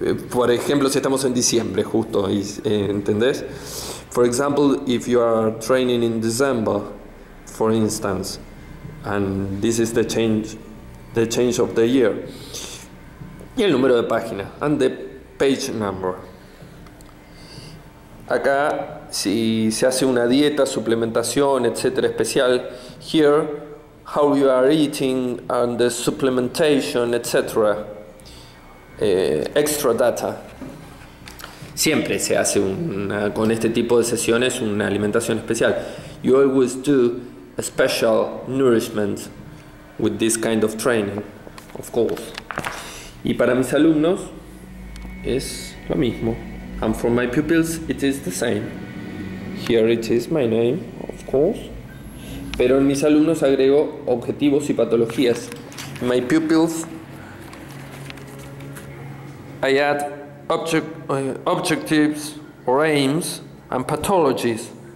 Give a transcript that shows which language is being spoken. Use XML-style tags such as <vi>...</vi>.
<es>Por ejemplo, si estamos en diciembre, justo, ¿entendés?</es> <en>For example, if you are training in December, for instance, and this is the change of the year.</en> <es>Y el número de página,</es> <en>and the page number.</en> <es>Acá, si se hace una dieta, suplementación, etcétera, especial,</es> <en>here, how you are eating and the supplementation, etc. Extra data.</en> <es>Siempre se hace con este tipo de sesiones una alimentación especial.</es> <en>You always do a special nourishment with this kind of training, of course.</en> <es>Y para mis alumnos es lo mismo.</es> <en>And for my pupils it is the same. Here it is my name, of course.</en> <es>Pero en mis alumnos agrego objetivos y patologías.</es> <en>My pupils, I add objectives or aims and pathologies.</en>